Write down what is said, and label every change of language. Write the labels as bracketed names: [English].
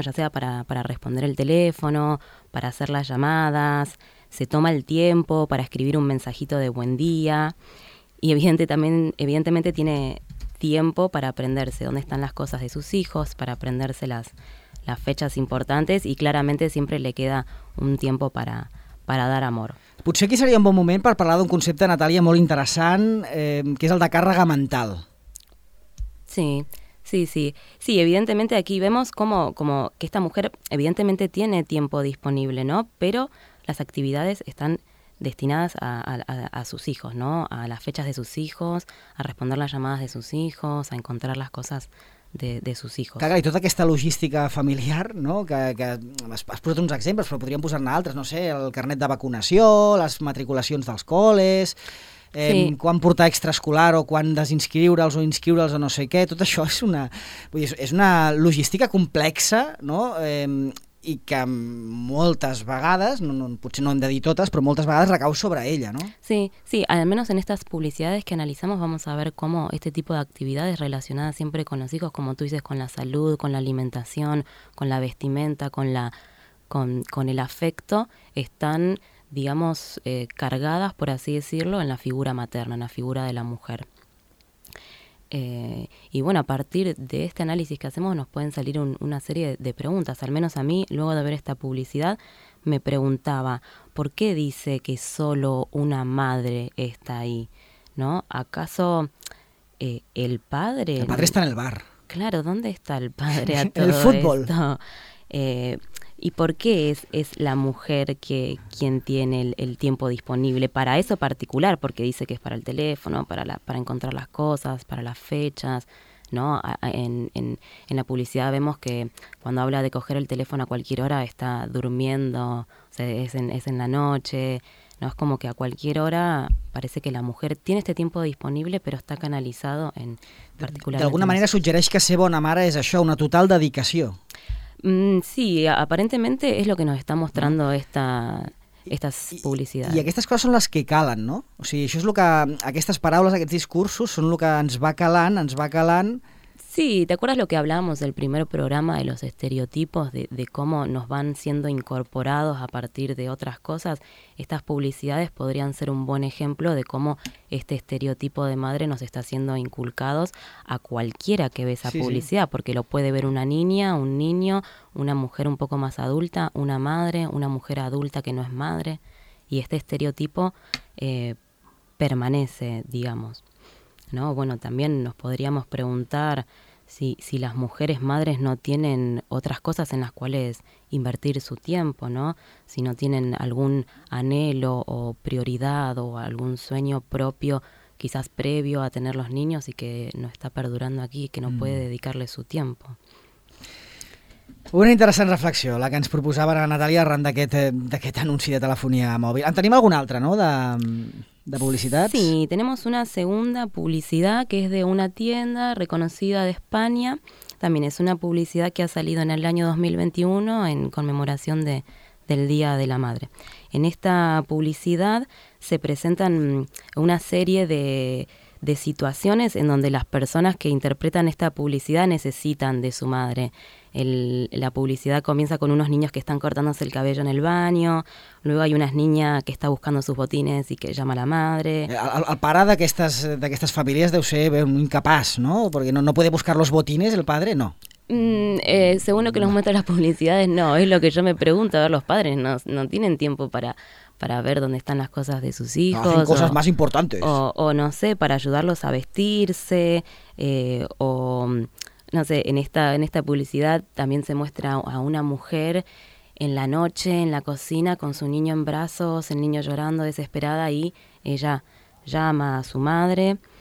[Spanish] Ya sea para responder el teléfono, para hacer las llamadas, se toma el tiempo para escribir un mensajito de buen día y evidentemente tiene tiempo para aprenderse dónde están las cosas de sus hijos, para aprenderse las fechas importantes y claramente siempre le queda un tiempo para dar amor. [Catalan] Potser aquí seria un bon moment per parlar d'un concepte, Natàlia, molt interessant, que és el de càrrega mental. [Spanish] Sí, sí, sí. Sí, evidentemente aquí vemos como que esta mujer evidentemente tiene tiempo disponible, ¿no? Pero las actividades están destinadas a sus hijos, ¿no? A las fechas de sus hijos, a responder las llamadas de sus hijos, a encontrar las cosas de sus hijos. [Catalan] Clar, i tota aquesta logística familiar, no? que has posat uns exemples, però podríem posar-ne altres, no sé, el carnet de vacunació, les matriculacions dels col·les, sí. Quan portar extraescolar o quan desinscriure'ls o inscriure'ls o no sé què, tot això és una logística complexa, no? I que moltes vegades, potser no hem de dir totes, però moltes vegades recau sobre ella, no? Sí, sí, almenys en aquestes publicitats que analitzem [Spanish] vamos [Catalan] a veure com aquest tipus d'activitats relacionades sempre amb els fills, com [Spanish] tu dices, [Catalan] amb la salut, amb l'alimentació, amb la vestimenta, amb l'afecte, estan, diguem, cargades, per així dir-ho, en la figura materna, en la figura de la mujer. [Spanish] Y bueno, a partir de este análisis que hacemos nos pueden salir una serie de preguntas. Al menos a mí, luego de ver esta publicidad, me preguntaba, ¿por qué dice que solo una madre está ahí? ¿No? ¿Acaso el padre? El padre está en el bar. Claro, ¿dónde está el padre a todo el fútbol. Esto? ¿Y por qué es la mujer quien tiene el tiempo disponible para eso particular? Porque dice que es para el teléfono, para encontrar las cosas, para las fechas, ¿no? En la publicidad vemos que cuando habla de coger el teléfono a cualquier hora está durmiendo, o sea, es en la noche, ¿no? Es como que a cualquier hora parece que la mujer tiene este tiempo disponible, pero está canalizado en particular. [Catalan] De alguna manera suggereix que ser bona mare és això, una total dedicació. [Spanish] Sí, aparentemente es lo que nos está mostrando estas publicidades. [Catalan] I aquestes coses són les que calen, no? O sigui, això és lo que aquestes paraules, aquests discursos són lo que ens va calant. [Spanish] Sí, ¿te acuerdas lo que hablábamos del primer programa de los estereotipos de cómo nos van siendo incorporados a partir de otras cosas? Estas publicidades podrían ser un buen ejemplo de cómo este estereotipo de madre nos está siendo inculcados a cualquiera que ve esa publicidad, sí. Porque lo puede ver una niña, un niño, una mujer un poco más adulta, una madre, una mujer adulta que no es madre, y este estereotipo permanece, digamos. No, bueno, también nos podríamos preguntar si las mujeres madres no tienen otras cosas en las cuales invertir su tiempo, ¿no? Si no tienen algún anhelo o prioridad o algún sueño propio, quizás previo a tener los niños y que no está perdurando aquí, que no puede dedicarle su tiempo. [Catalan] Una interessant reflexió, la que ens proposava la Natàlia arran d'aquest anunci de telefonia mòbil. En tenim alguna altra, no?, de publicitats? [Spanish] Sí, tenemos una segunda publicidad que es de una tienda reconocida de España. También es una publicidad que ha salido en el año 2021 en conmemoración del Día de la Madre. En esta publicidad se presentan una serie de situaciones en donde las personas que interpretan esta publicidad necesitan de su madre. La publicidad comienza con unos niños que están cortándose el cabello en el baño, luego hay una niña que está buscando sus botines y que llama a la madre. [Catalan] El pare d'aquestes famílies deu ser un incapaç, ¿no? [Spanish] Porque no puede buscar los botines el padre, no. Según lo que nos muestran las publicidades, no. Es lo que yo me pregunto. A ver, los padres no tienen tiempo para ver dónde están las cosas de sus hijos. Hacen cosas más importantes. O no sé, para ayudarlos a vestirse, o no sé, en esta publicidad también se muestra a una mujer en la noche, en la cocina, con su niño en brazos, el niño llorando, desesperada, y ella llama a su madre.